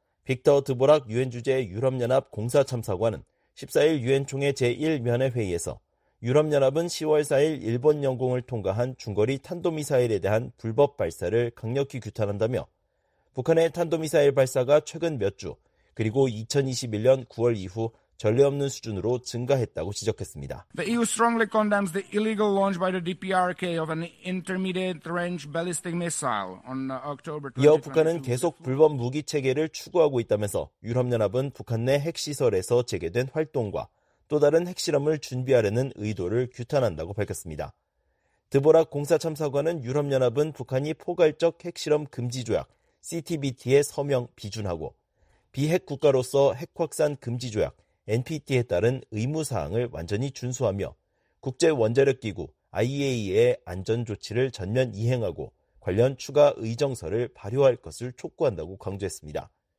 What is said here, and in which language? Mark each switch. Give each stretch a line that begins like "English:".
Korean: 빅터 드보락 유엔 주재 유럽연합 공사 참사관은 14일 유엔총회 제1면회 회의에서 유럽연합은 10월 4일 일본 영공을 통과한 중거리 탄도미사일에 대한 불법 발사를 강력히 규탄한다며 북한의 탄도미사일 발사가 최근 몇 주 그리고 2021년 9월 이후 전례 없는 수준으로 증가했다고 지적했습니다.
English: The EU strongly condemns the illegal launch by the DPRK of an intermediate range ballistic missile on October 2022.
Korean: 이어 북한은 계속 불법 무기 체계를 추구하고 있다면서 유럽연합은 북한 내 핵시설에서 재개된 활동과 또 다른 핵실험을 준비하려는 의도를 규탄한다고 밝혔습니다. 드보락 공사 참사관은 유럽연합은 북한이 포괄적 핵실험 금지 조약 CTBT의 서명 비준하고 비핵 국가로서 핵 확산 금지 조약 NPT에 따른 의무사항을 완전히 준수하며 국제원자력기구 IAEA의 안전조치를 전면 이행하고 관련 추가 의정서를 발효할 것을 촉구한다고 강조했습니다.